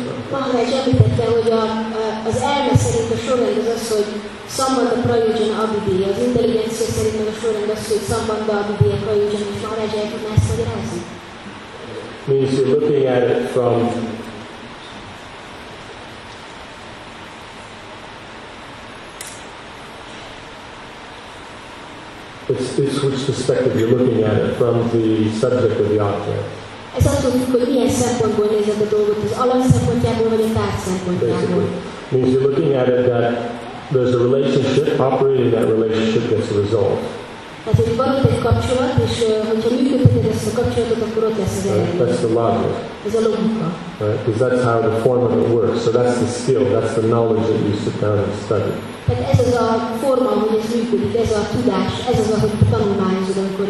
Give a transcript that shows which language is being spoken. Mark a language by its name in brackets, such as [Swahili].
[Hungarian] Maha egy említette, hogy az elme szerint a sorrend az az, hogy Sambandha Prayojana Abhidhiya, az intelligencia szerint meg a sorrend az, hogy Sambandha Abhidhiya Prayojana, és Maha egy tudná ezt magyarázni? [English] Means you're looking at it from it's which perspective you're looking at it from, the subject or the object. [Hungarian] Ez attól függ, hogy milyen szempontból nézed a dolgot, az alap szempontjából vagy a tárgy szempontjából. [English] Means you're looking at it that there's a relationship, operating that relationship gets a result. [Hungarian] Tehát, hogy van itt egy kapcsolat, és hogyha működheted ezt a kapcsolatot, akkor ott lesz az eredmény. [English] That's the logic. [Hungarian] Ez a logika. [English] Right? Because that's how the form of it works. So that's the skill, that's the knowledge that you sit down and study. [Hungarian] Tehát ez az a forma, hogy ez működik, ez a tudás, ez az, ahogy tanulmányozod, amikor